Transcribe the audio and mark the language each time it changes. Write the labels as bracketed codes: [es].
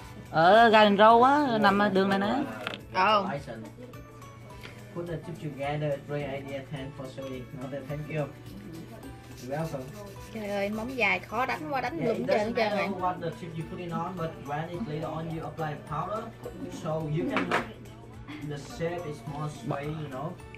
[vi] Ở Garden Road á, nằm ở đường này nè. Ồ. [en] Put the chip together, great idea, thanks for showing. No, thank you. You're welcome. [vi] Trời ơi, móng dài khó đánh quá, đánh lụm trơn trơn này. [en] It doesn't matter what the chip you put in on, but when it later on you apply powder, so you can look, the shape is more straight, you know.